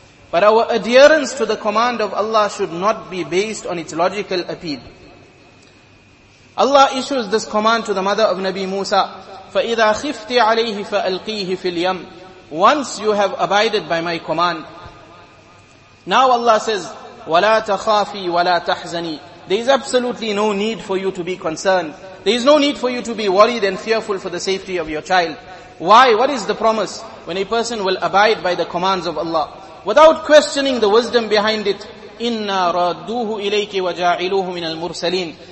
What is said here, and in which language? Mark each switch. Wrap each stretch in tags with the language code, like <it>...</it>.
<en>But our adherence to the command of Allah should not be based on its logical appeal. Allah issues this command to the mother of Nabi Musa,</en> <ar>فَإِذَا خِفْتِ عَلَيْهِ فَأَلْقِيهِ فِي الْيَمْ.</ar> <en>Once you have abided by my command. Now Allah says,</en> <ar>وَلَا تَخَافِي وَلَا تَحْزَنِي.</ar> <en>There is absolutely no need for you to be concerned. There is no need for you to be worried and fearful for the safety of your child. Why? What is the promise? When a person will abide by the commands of Allah, without questioning the wisdom behind it,</en> <ar>إِنَّا رَدُّوهُ إِلَيْكِ وَجَاعِلُوهُ مِنَ الْمُرْسَلِينَ.</ar>